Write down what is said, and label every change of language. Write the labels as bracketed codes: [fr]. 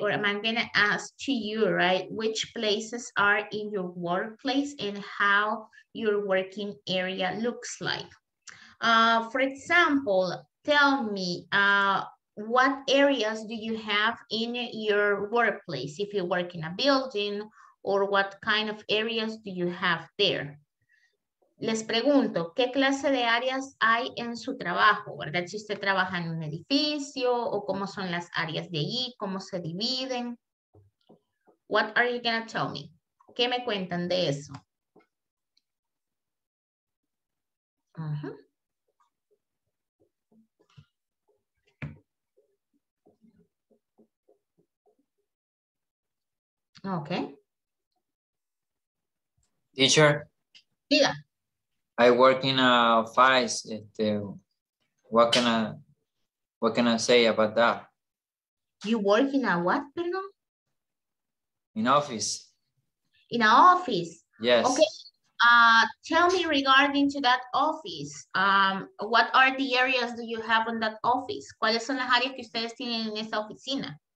[en] Or am I going to ask to you, right? Which places are in your workplace and how your working area looks like. For example, tell me what areas do you have in your workplace? If you work in a building or what kind of areas do you have there? [es] Les pregunto, ¿qué clase de áreas hay en su trabajo? ¿Verdad? Si usted trabaja en un edificio o cómo son las áreas de allí, cómo se dividen. [en] What are you going to tell me? [es] ¿Qué me cuentan de eso? Uh-huh. [en] Okay. Teacher. [es] Diga. [en] I work in a office. What can I say about that? You work in a what, [es] perdón? [en] In office. In an office. Yes. Okay. Tell me regarding to that office. What are the areas do you have in that office? [es] ¿Cuáles son las áreas que ustedes tienen en esa oficina?